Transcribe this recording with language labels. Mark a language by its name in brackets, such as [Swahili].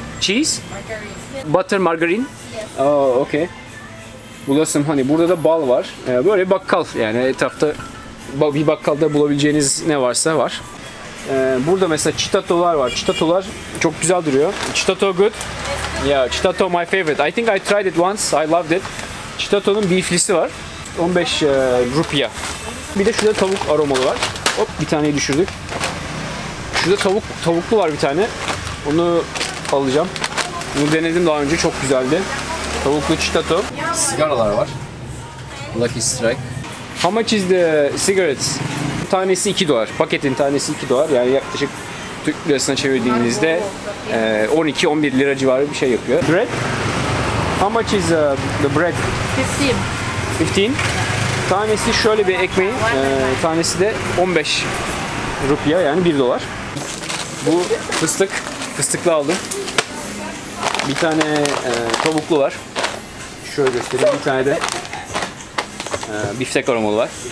[English] Cheese? Margarine. Butter margarine? Yes. Oh, okay. [Turkish] Bulasım hani burada da bal var. Böyle bir bakkal, yani etrafta bir bakkalda bulabileceğiniz ne varsa var. Burada mesela çitatolar var. Çitatolar çok güzel duruyor. [English] Çitato good. Yeah, çitato my favorite. I think I tried it once. I loved it. [Turkish] Çitato'nun beeflisi var. 15 rupiya. Bir de şurada tavuk aromalı var. Hop, bir taneyi düşürdük. Şurada tavuklu var bir tane. Onu alacağım. Bunu denedim daha önce. Çok güzeldi. Tavuklu çitato. Sigaralar var. Lucky Strike. [English] How much is the cigarettes? [Turkish] Tanesi 2 dolar. Paketin tanesi 2 dolar. Yani yaklaşık Türk lirasına çevirdiğinizde 12-11 lira civarı bir şey yapıyor. [English] Bread? How much is the bread? 15. 15? [Turkish] Tanesi şöyle bir ekmeğin, tanesi de 15 rupiye yani 1 dolar. Bu fıstık, fıstıklı aldım. Bir tane tavuklu var. Şöyle göstereyim, bir tane de biftek aromalı var.